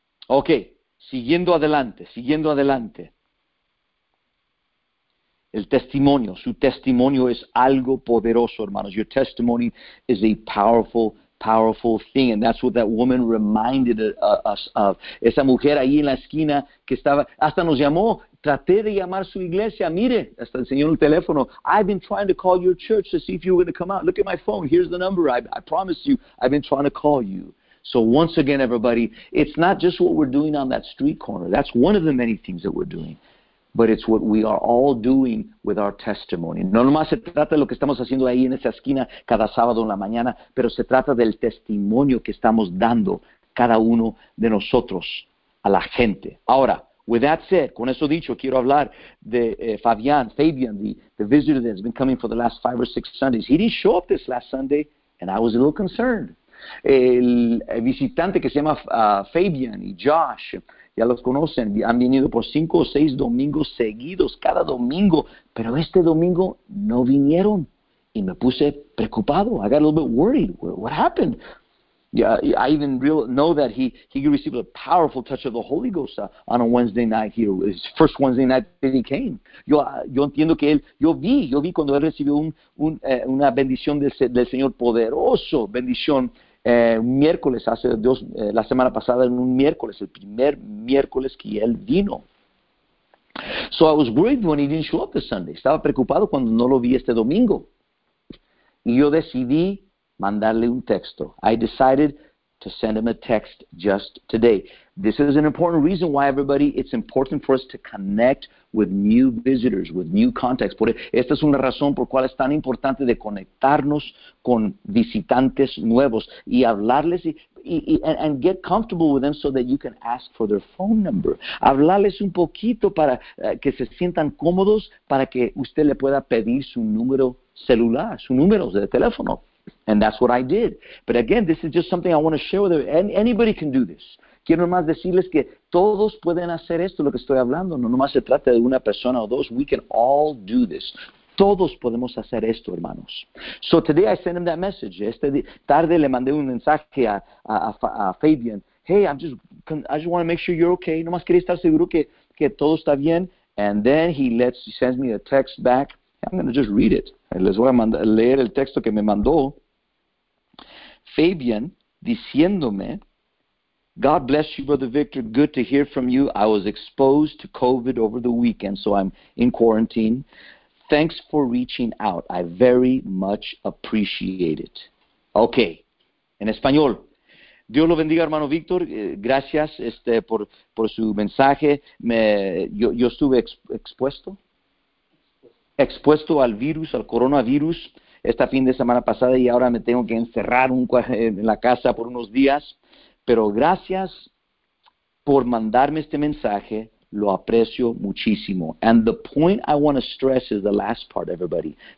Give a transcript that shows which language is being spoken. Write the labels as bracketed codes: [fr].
[es] Okay, siguiendo adelante. El testimonio, su testimonio es algo poderoso, hermanos. [en] Your testimony is a powerful, powerful thing. And that's what that woman reminded us of. [es] Esa mujer ahí en la esquina que estaba, hasta nos llamó. Traté de llamar su iglesia. Mire, hasta enseñó el teléfono. [en] I've been trying to call your church to see if you were going to come out. Look at my phone. Here's the number. I promise you, I've been trying to call you. So once again, everybody, it's not just what we're doing on that street corner. That's one of the many things that we're doing. But it's what we are all doing with our testimony. [es] No nomás se trata de lo que estamos haciendo ahí en esa esquina cada sábado en la mañana, pero se trata del testimonio que estamos dando cada uno de nosotros a la gente. Ahora, [en] with that said, [es] con eso dicho, quiero hablar de [en] Fabian, the visitor that has been coming for the last 5 or 6 Sundays. He didn't show up this last Sunday, and I was a little concerned. [es] El visitante que se llama Fabian y Josh, ya los conocen, han venido por 5 o 6 domingos seguidos, cada domingo, pero este domingo no vinieron, y me puse preocupado. [en] I got a little bit worried. What happened? Yeah, I even know that he received a powerful touch of the Holy Ghost on a Wednesday night here, his first Wednesday night that he came. [es] Yo entiendo que él, yo vi cuando él recibió una bendición del Señor poderoso, bendición, miércoles, hace dos, la semana pasada, en un miércoles, el primer miércoles que él vino. [en] So I was worried when he didn't show up this Sunday. [es] Estaba preocupado cuando no lo vi este domingo. Y yo decidí mandarle un texto. [en] I decided to send him a text just today. This is an important reason why, everybody, it's important for us to connect with new visitors, with new contacts. [es] Esta es una razón por cual es tan importante de conectarnos con visitantes nuevos y hablarles y [en] get comfortable with them so that you can ask for their phone number. [es] Hablarles un poquito para que se sientan cómodos para que usted le pueda pedir su número celular, su número de teléfono. [en] And that's what I did. But again, this is just something I want to share with everybody. Anybody can do this. [es] Quiero nomás decirles que todos pueden hacer esto, lo que estoy hablando. No nomás se trata de una persona o dos. [en] We can all do this. [es] Todos podemos hacer esto, hermanos. [en] So today I sent him that message. [es] Esta tarde le mandé un mensaje a Fabian. [en] Hey, I just want to make sure you're okay. [es] Nomás quería estar seguro que todo está bien. [en] And then he sends me a text back. I'm going to just read it. [es] Les voy a leer el texto que me mandó Fabian diciéndome, [en] God bless you, Brother Victor. Good to hear from you. I was exposed to COVID over the weekend, so I'm in quarantine. Thanks for reaching out. I very much appreciate it. Okay. En español. [es] Dios lo bendiga, hermano Víctor. Gracias por su mensaje. Yo estuve expuesto al virus, al coronavirus, esta fin de semana pasada, y ahora me tengo que encerrar en la casa por unos días. Pero gracias por mandarme este mensaje, lo aprecio muchísimo. [en] And the point I want to stress is the last part, everybody.